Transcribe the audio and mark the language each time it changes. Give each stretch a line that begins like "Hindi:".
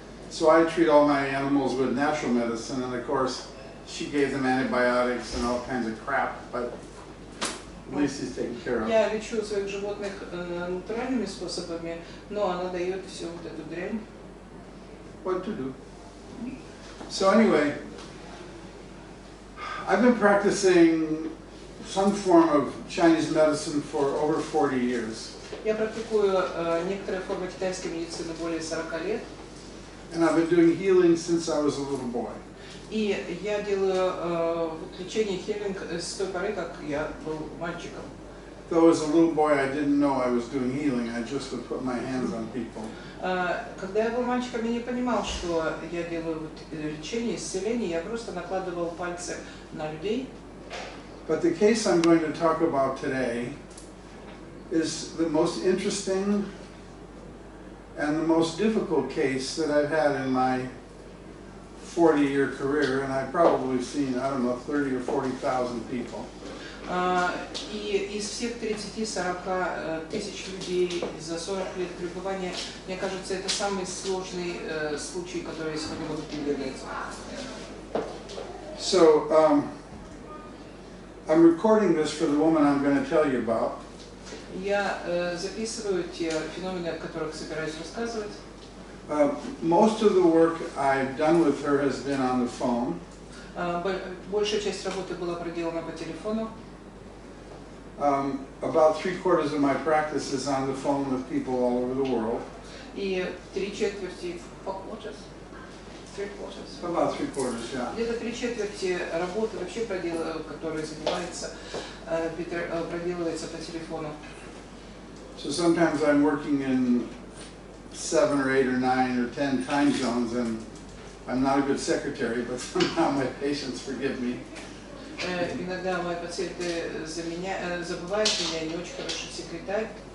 English: So I treat all my animals with natural medicine, and of course, she gave them antibiotics and all kinds of crap, but at least he's taken care of.
Russian: Я лечу своих животных натуральными способами, но она дает все вот эту дрянь.
English: What to do? So anyway, I've been practicing some form of Chinese medicine for over 40 years.
Russian: Я практикую некоторые формы китайской медицины более 40 лет.
English: And I've been doing healing since I was a little boy.
Russian: И я делаю лечение healing с той поры, как я был мальчиком.
English: Though as a little boy, I didn't know I was doing healing. I just would put my hands on people.
Russian: Когда я был мальчиком, я не понимал, что я делаю лечение, исцеление. Я просто накладывал пальцы на людей.
English: But the case I'm going to talk about today is the most interesting and the most difficult case that I've had in my 40-year career, and I've probably seen, I don't know, 30 or 40,000 people.
Russian: И из всех 30-40 тысяч людей за 40 лет пребывания, мне кажется, это самый сложный случай, который я сегодня буду передавать.
English: So, I'm recording this for the woman I'm going to tell you about.
Russian: Я записываю те феномены, о которых собираюсь рассказывать.
English: Most of the work I've done with her has been on the phone.
Russian: Большая часть работы была проделана по телефону.
English: About three quarters of my practice is on the phone with people all over the world.
Russian: И три четверти,
English: three quarters. About three quarters, yeah.
Russian: Где-то три четверти работы вообще проделывается по телефону.
English: So sometimes I'm working in 7 or 8 or 9 or 10 time zones, and I'm not a good secretary, but somehow my patients forgive me.
Russian: Иногда мои пациенты за меня забывают меня, не очень хороший секретарь.